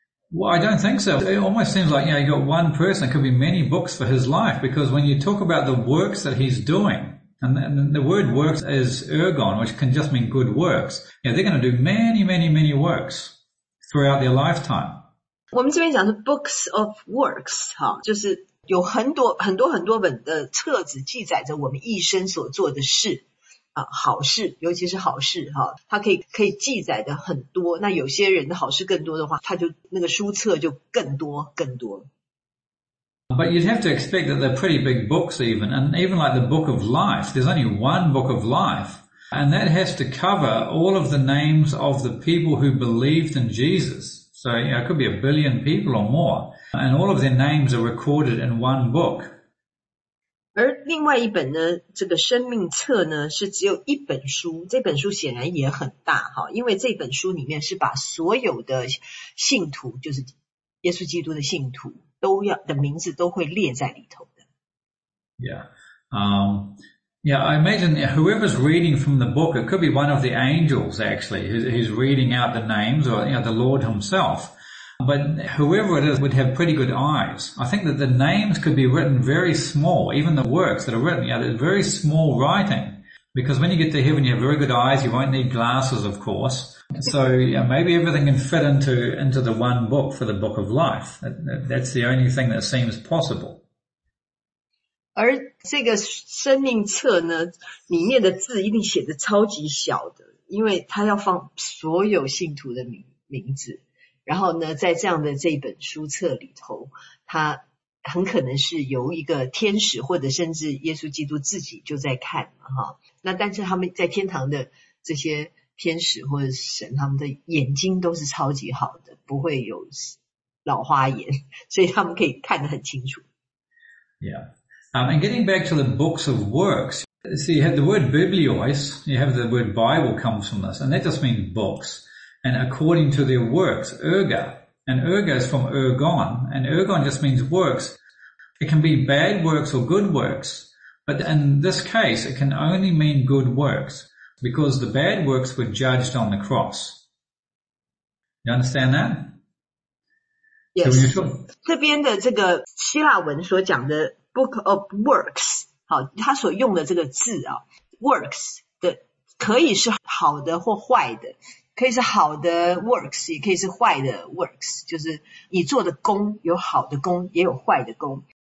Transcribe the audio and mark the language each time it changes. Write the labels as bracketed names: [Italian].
[English] Well, I don't think so. It almost seems like, you know, you've got one person. It could be many books for his life, because when you talk about the works that he's doing, and the word works is ergon, which can just mean good works. Yeah, you know, they're going to do many, many, many works throughout their lifetime. [Chinese] 我们这边讲的 [English] books of works, [Chinese] 就是有很多很多很多本的册子记载着我们一生所做的事。好事，尤其是好事，它可以记载的很多。那有些人的好事更多的话，他就那个书册就更多更多。 [English] But you'd have to expect that they're pretty big books even, and even like the Book of Life, there's only one Book of Life, and that has to cover all of the names of the people who believed in Jesus. So, you know, it could be a billion people or more, and all of their names are recorded in one book. [Chinese] 而另外一本呢，这个生命册呢，是只有一本书，这本书显然也很大，因为这本书里面是把所有的信徒，就是耶稣基督的信徒都要的名字都会列在里头的。 [English] Yeah, I imagine whoever's reading from the book, it could be one of the angels actually, who's reading out the names, or you know, the Lord himself. But whoever it is would have pretty good eyes. I think that the names could be written very small, even the works that are written, you know, they're very small writing. Because when you get to heaven, you have very good eyes, you won't need glasses, of course. So yeah, maybe everything can fit into the one book for the Book of Life. That's the only thing that seems possible. [Chinese] 而这个生命册呢，里面的字一定写得超级小的，因为它要放所有信徒的名字。然后呢，在这样的这本书册里头，它很可能是由一个天使或者甚至耶稣基督自己就在看，那但是他们在天堂的这些天使或者神，他们的眼睛都是超级好的，不会有老花眼，所以他们可以看得很清楚。 [English] And getting back to the books of works, see, you have the word biblios, you have the word Bible comes from this, and that just means books. And according to their works, erga. And erga is from ergon. And ergon just means works. It can be bad works or good works. But in this case, it can only mean good works. Because the bad works were judged on the cross. You understand that? Yes. [Chinese] 这边的这个希腊文所讲的 [English] book of works, [Chinese] 好，它所用的这个字啊 ,works 的可以是好的或坏的。可以是好的 works, 也可以是坏的 works, 就是你做的功有好的功也有坏的功。